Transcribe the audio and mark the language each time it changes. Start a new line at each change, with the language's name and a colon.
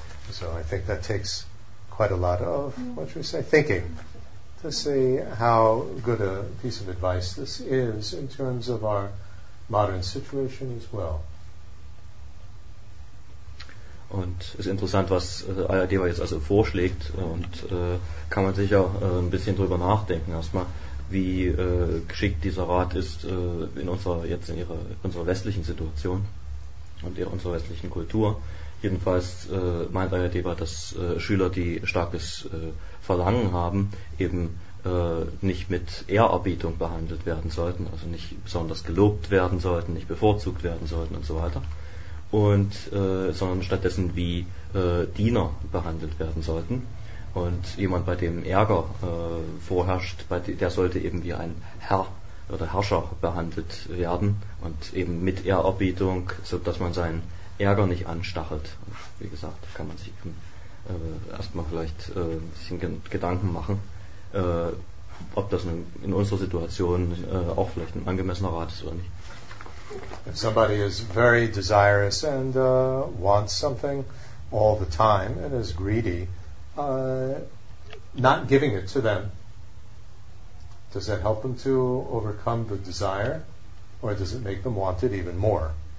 English: So I think that takes quite a lot of, what should we say, thinking to see how good a piece of advice this is in terms of our modern situation as well.
German: Und es ist interessant, was Ayadeva jetzt also vorschlägt, und kann man sicher ein bisschen drüber nachdenken erstmal, wie geschickt dieser Rat ist in unserer westlichen Situation und in unserer westlichen Kultur. Jedenfalls meint Ayadeva, dass Schüler, die starkes Verlangen haben, eben nicht mit Ehrerbietung behandelt werden sollten, also nicht besonders gelobt werden sollten, nicht bevorzugt werden sollten und so weiter, und sondern stattdessen wie Diener behandelt werden sollten. Und jemand, bei dem Ärger vorherrscht, der sollte eben wie ein Herr oder Herrscher behandelt werden und eben mit Ehrerbietung, so dass man seinen Ärger nicht anstachelt. Und wie gesagt, kann man sich eben erstmal vielleicht ein bisschen Gedanken machen, ob das in unserer Situation auch vielleicht ein angemessener Rat ist oder nicht.
English: If somebody is very desirous and wants something all the time and is greedy, not giving it to them, does that help them to overcome the desire, or does it make them want it even more?